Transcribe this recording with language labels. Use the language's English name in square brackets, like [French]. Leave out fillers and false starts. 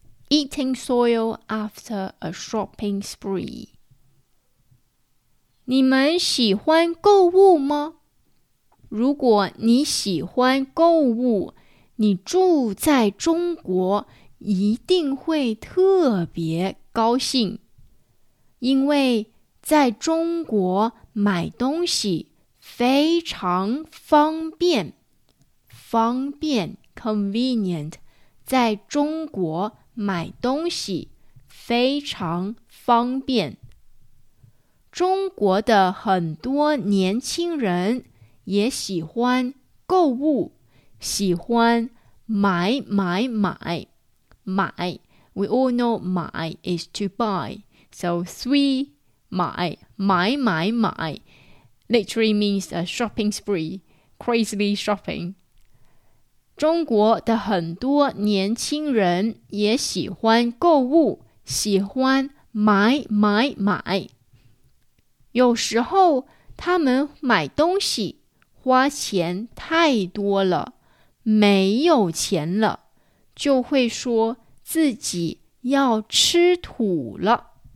[English] Eating soil after a shopping spree. [Chinese] 你们喜欢购物吗？如果你喜欢购物，你住在中国一定会特别高兴，因为在中国买东西非常方便。方便 convenient， 在中国买东西非常方便。中国的很多年轻人也喜欢购物，喜欢买买买。 [English] 买 We all know 买 is to buy. So 3 买买买买 literally means a shopping spree, crazily shopping. [Chinese] 中国的很多年轻人也喜欢购物，喜欢买买买。有时候他们买东西花钱太多了，没有钱了，就会说自己要吃土了。